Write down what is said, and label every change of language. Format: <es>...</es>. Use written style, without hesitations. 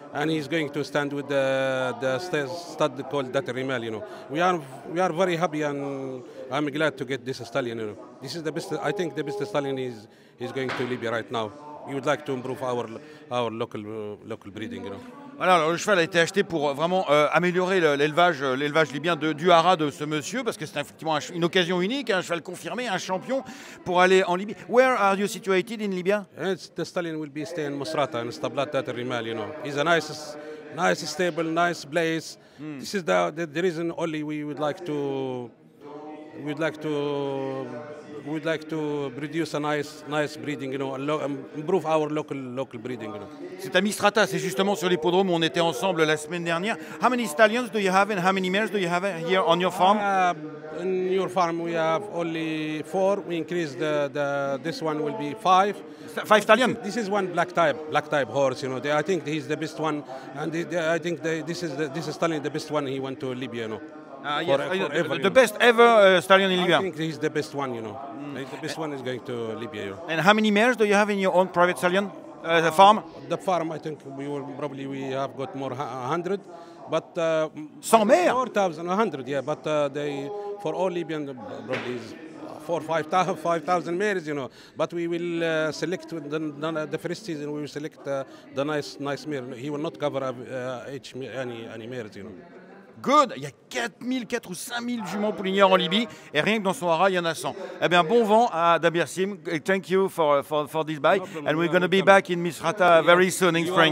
<en>And he's going to stand with the stud called Dattermel, you know. We are very happy, and I'm glad to get this stallion, you know. This is the best, I think, the best stallion is going to Libya right now. We would like to improve our local breeding, you know.</en> <fr>Voilà, alors le cheval a été acheté pour vraiment améliorer l'élevage libyen du haras de ce monsieur, parce que c'est effectivement une occasion unique, un cheval confirmé, un champion pour aller en Libye.</fr> <en>Where are you situated in Libya? The stallion will be staying in Masrata, in Stablat Dattermel, you know. He's a nice stable, nice place. This is the reason only we would like to produce a nice breeding, you know, and improve our local breeding, you know.</en> <fr>C'est à Mistrata, c'est justement sur l'hippodrome où on était ensemble la semaine dernière.</fr> <en>How many stallions do you have and how many mares do you have here on your farm? In your farm we have only four. We increased the this one will be five stallions. This is one black type horse, you know. I think he's the best one, and I think this stallion is the best one. He went to Libya, you know. The best ever stallion in Libya. I think he's the best one, you know. The best one is going to Libya. You know. And how many mares do you have in your own private stallion, the farm? The farm, I think we have got more 100, but 100 mares. 4,100, yeah. But they for all Libyan probably is 4,000 or 5,000 mares, you know. But we will select the first season. We will select the nice mare. He will not cover any mares, you know. Good.</en> <fr>Il y a 4 000 ou 5 000 juments poulinières en Libye, et rien que dans son haras, il y en a 100. Eh bien, bon vent à Dabirsim.</fr> <en>Thank you for this buy. And we're going to be back in Misrata very soon in spring.</en>